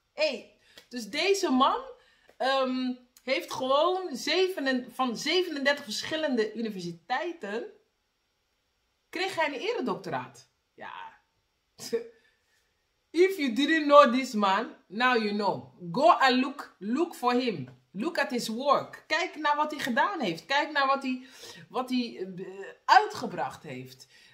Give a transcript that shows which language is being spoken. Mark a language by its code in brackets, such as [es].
[nl] Hey, dus deze man heeft gewoon van 37 verschillende universiteiten kreeg hij een eredoctoraat. Ja. [en] If you didn't know this man, now you know. Go and look for him. Look at his work. [nl] Kijk naar wat hij gedaan heeft. Kijk naar wat hij uitgebracht heeft.